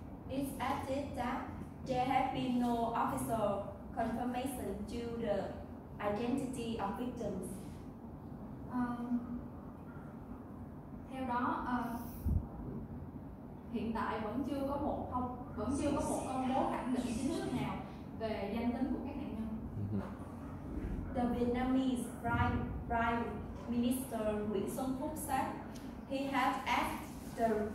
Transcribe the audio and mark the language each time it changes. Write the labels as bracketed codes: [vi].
[en] It's added that there have been no official confirmation to the identity of victims. [vi] Theo đó, hiện tại vẫn chưa có một công bố khẳng định chính thức nào về danh tính của các nạn nhân. [en] The Vietnamese Prime Minister Nguyễn Xuân Phúc said he has asked the